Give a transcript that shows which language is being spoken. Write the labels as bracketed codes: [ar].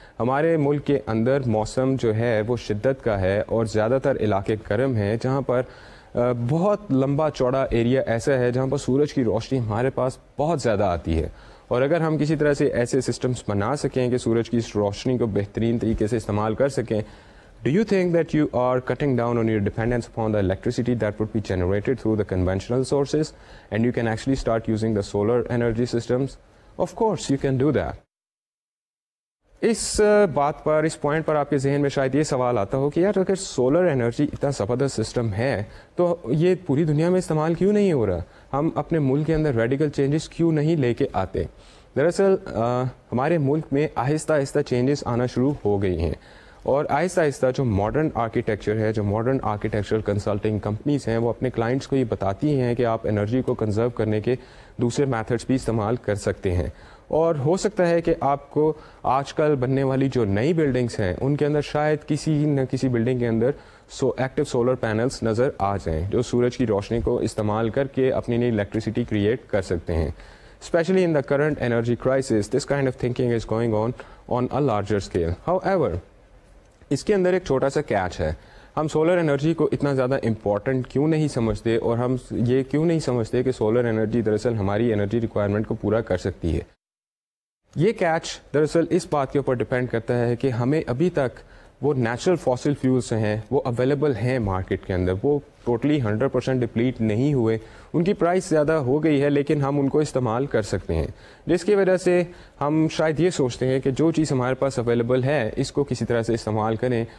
[ur] ہمارے ملک کے اندر موسم جو ہے وہ شدت کا ہے اور زیادہ تر علاقے گرم ہیں, جہاں پر بہت لمبا چوڑا ایریا ایسا ہے جہاں پر سورج کی روشنی ہمارے پاس بہت زیادہ آتی ہے. اور اگر ہم کسی طرح سے ایسے سسٹمز بنا سکیں کہ سورج کی اس روشنی کو بہترین طریقے سے استعمال کر سکیں, [en] Do you think that you are cutting down on your dependence upon the electricity that would be generated through the conventional sources, and you can actually start using the solar energy systems? Of course, you can do that. [ur] اس بات پر اس point پر آپ کے ذہن میں شاید یہ سوال آتا ہو کہ یار اگر سولر انرجی اتنا زبردست سسٹم ہے تو یہ پوری دنیا میں استعمال کیوں نہیں ہو رہا, ہم اپنے ملک کے اندر ریڈیکل چینجز کیوں نہیں لے کے آتے. دراصل ہمارے ملک میں آہستہ آہستہ چینجز آنا شروع ہو گئی ہیں, اور آہستہ آہستہ جو ماڈرن آرکیٹیکچر ہے, جو ماڈرن آرکیٹیکچرل کنسلٹنگ کمپنیز ہیں, وہ اپنے کلائنٹس کو یہ بتاتی ہیں کہ آپ انرجی کو کنزرو کرنے کے دوسرے میتھڈس بھی استعمال کر سکتے ہیں. اور ہو سکتا ہے کہ آپ کو آج کل بننے والی جو نئی بلڈنگس ہیں ان کے اندر شاید کسی نہ کسی بلڈنگ کے اندر ایکٹیو سولر پینلز نظر آ جائیں, جو سورج کی روشنی کو استعمال کر کے اپنی نئی الیکٹریسٹی کریٹ کر سکتے ہیں. [en] Especially in the current energy crisis this kind of thinking is going on a larger scale. [ur] How اس کے اندر ایک چھوٹا سا کیچ ہے, ہم سولر انرجی کو اتنا زیادہ امپورٹنٹ کیوں نہیں سمجھتے, اور ہم یہ کیوں نہیں سمجھتے کہ سولر انرجی دراصل ہماری انرجی ریکوائرمنٹ کو پورا کر سکتی ہے. یہ کیچ دراصل اس بات کے اوپر ڈپینڈ کرتا ہے کہ ہمیں ابھی تک وہ نیچرل فاسل فیولس ہیں وہ اویلیبل ہیں مارکیٹ کے اندر, وہ ٹوٹلی 100% ڈپلیٹ نہیں ہوئے, ان کی پرائس زیادہ ہو گئی ہے, لیکن ہم ان کو استعمال کر سکتے ہیں, جس کی وجہ سے ہم شاید یہ سوچتے ہیں کہ جو چیز ہمارے پاس اویلیبل ہے اس کو کسی طرح سے استعمال کریں.